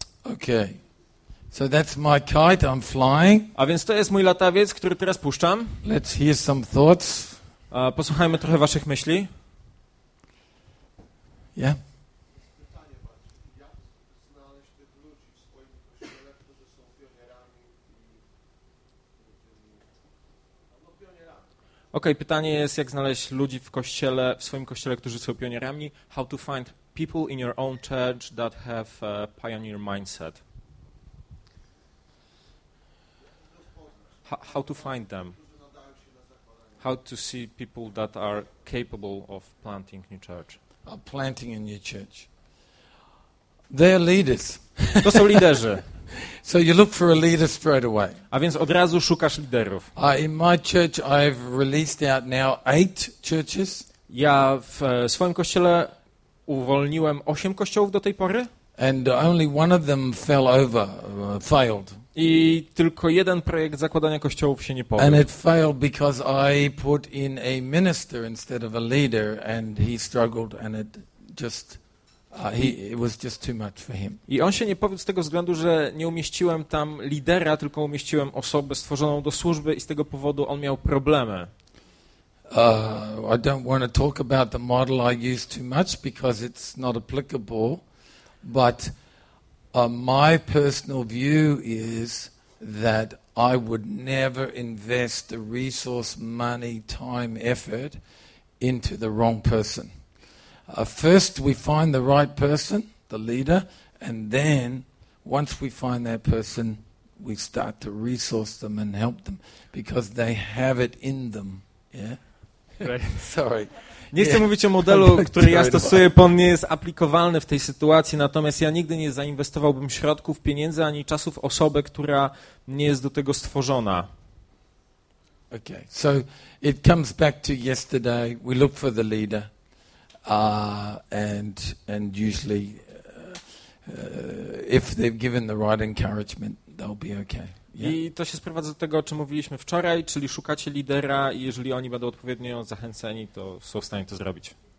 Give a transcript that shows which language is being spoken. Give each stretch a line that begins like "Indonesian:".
English: Okay. So that's my kite, I'm flying.
Polish: A więc to jest mój latawiec, który teraz puszczam.
English: Let's hear some thoughts.
Polish: Posłuchajmy trochę waszych myśli.
English: Yeah.
Polish: znaleźć tych ludzi w swoim kościele, którzy są pionierami i pionierami. Okej, pytanie jest, jak znaleźć ludzi w kościele, w swoim kościele, którzy są pionierami?
English: How to find people in your own church that have a pioneer mindset? How to find them? How to see people that are capable of planting new church? Of planting a new church. They're leaders.
Polish: To są liderzy.
English: So you look for a leader straight away.
Polish: A więc od razu szukasz liderów.
English: In my church I've released out now 8 churches.
Polish: Ja w swoim kościele uwolniłem 8 kościołów do tej pory.
English: And only one of them fell over, failed.
Polish: I tylko jeden projekt zakładania kościołów się nie powiódł.
English: And it failed because I put in a minister instead of a leader and he struggled and it just it was just too much for him.
Polish: I on się nie powiódł z tego względu, że nie umieściłem tam lidera, tylko umieściłem osobę stworzoną do służby i z tego powodu on miał problemy.
English: I don't want to talk about the model I used too much because it's not applicable, but my personal view is that I would never invest the resource, money, time, effort into the wrong person. First we find the right person, the leader, and then once we find that person, we start to resource them and help them because they have it in them. Yeah? Sorry.
Polish: Nie chcę mówić o modelu, który ja stosuję, bo on nie jest aplikowalny w tej sytuacji, natomiast ja nigdy nie zainwestowałbym środków, pieniędzy ani czasów w osobę, która nie jest do tego stworzona.
English: Okay. So it comes back to yesterday. We look for the leader. And usually if they've given the right encouragement, they'll be okay. Yeah.
Polish: I to się sprowadza do tego, o czym mówiliśmy wczoraj, czyli szukacie lidera i jeżeli oni będą odpowiednio zachęceni, to są w stanie to zrobić.